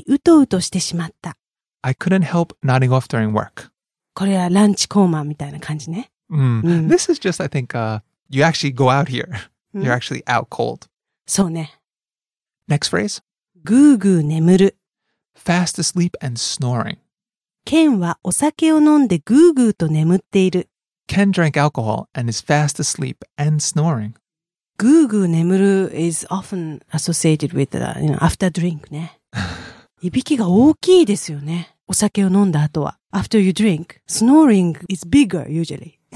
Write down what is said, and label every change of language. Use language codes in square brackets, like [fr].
[ja] 仕事中についうとうとしてしまった. [en] I couldn't help nodding off during work. [ja] これはランチコーマみたいな感じね. [en] This is just, I think, you actually go out here. You're actually out cold. [ja] そうね. [en] Next phrase. [ja] ぐうぐう眠る. [en] Fast asleep and snoring. [ja] ケンはお酒を飲んでぐうぐうと眠っている. [en] Ken drank alcohol and is fast asleep and snoring. Gugu nemuru is often associated with after drink, ne? [ja] Ibiki ga ookii desu yo ne. O sake o nonda ato wa. [en] After you drink, snoring is bigger usually.